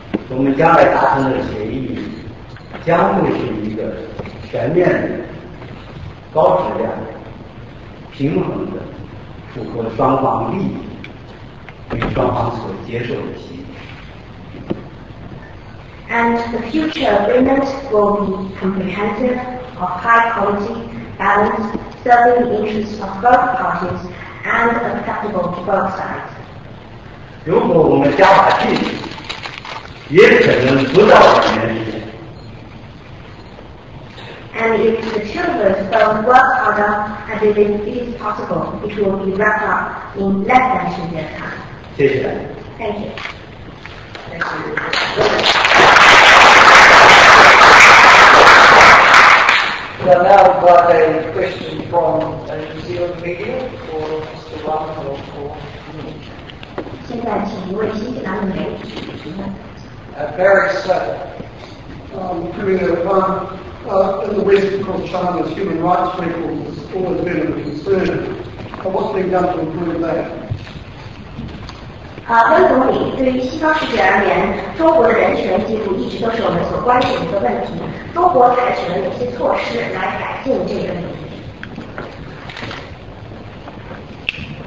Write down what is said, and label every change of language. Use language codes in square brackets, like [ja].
[zh] 我们将来达成的协议将会是一个全面的、高质量的、平衡的、符合双方利益与双方所接受的协议。 [en] And the future agreement will be comprehensive, of high quality, balanced, serving the interests of both parties and acceptable to both sides. [zh] 如果我们加把劲。也可能不到两年时间。 [en] And if the two of us don't work harder, as it is possible, it will be wrapped up in less than 2 years' time. [zh] 谢谢。 [en] Thank you. Thank you. We'll now have a question from a New Zealand media for Mr. Wang or for me. [zh] 现在请一位新西兰媒体提问。 [en] Barry Sutter, giving a run in the West because China's human rights record has always been a concern. But what's being done to improve that? [zh] 温总理，对于西方世界而言，中国的人权记录一直都是我们所关注的一个问题。中国采取了哪些措施来改进这个问题？